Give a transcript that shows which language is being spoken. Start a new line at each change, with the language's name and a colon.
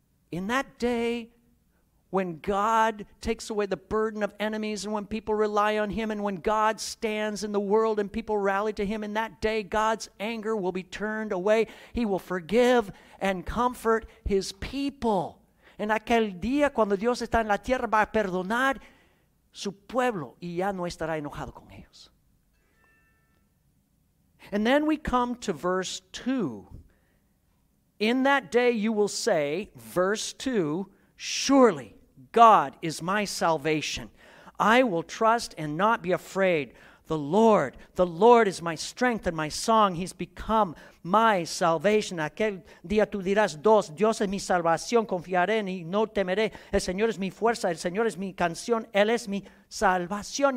English: In that day, when God takes away the burden of enemies and when people rely on him and when God stands in the world and people rally to him, in that day, God's anger will be turned away. He will forgive and comfort his people.
Spanish: En aquel día, cuando Dios está en la tierra, va a perdonar su pueblo y ya no estará enojado con ellos.
English: And then we come to verse 2. In that day you will say, verse 2, surely God is my salvation. I will trust and not be afraid. The Lord is my strength and my song. He's become my salvation.
Spanish: Aquel día tú dirás dos, Dios es mi salvación, confiaré en y no temeré. El Señor es mi fuerza, el Señor es mi canción, Él es mi salvación.